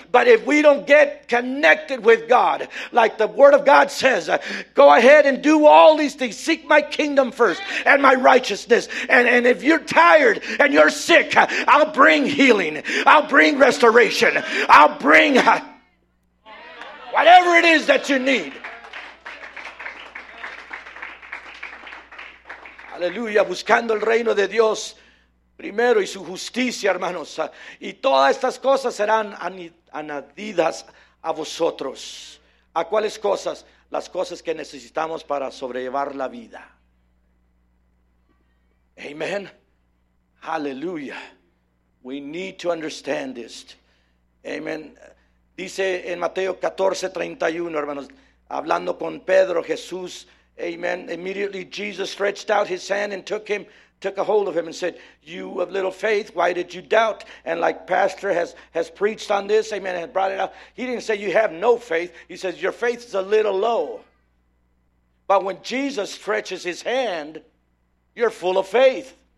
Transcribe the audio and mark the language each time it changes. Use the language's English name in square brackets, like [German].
[English] But if we don't get connected with God, like the word of God says, go ahead and do all these things. Seek my kingdom first and my righteousness. And if you're tired and you're sick, I'll bring healing. I'll bring restoration. I'll bring whatever it is that you need. [Spanish] Aleluya. Buscando el reino de Dios primero y su justicia, hermanos. Y todas estas cosas serán añadidas a vosotros. ¿A cuáles cosas? Las cosas que necesitamos para sobrellevar la vida. [English] Amen. Aleluya. We need to understand this. Amen. [Spanish] Dice en Mateo 14:31, hermanos, hablando con Pedro, Jesús, amen. [English] Immediately Jesus stretched out his hand and took a hold of him and said, you of little faith, why did you doubt? And like pastor has preached on this, amen, and brought it out. He didn't say you have no faith. He says your faith is a little low. But when Jesus stretches his hand, you're full of faith.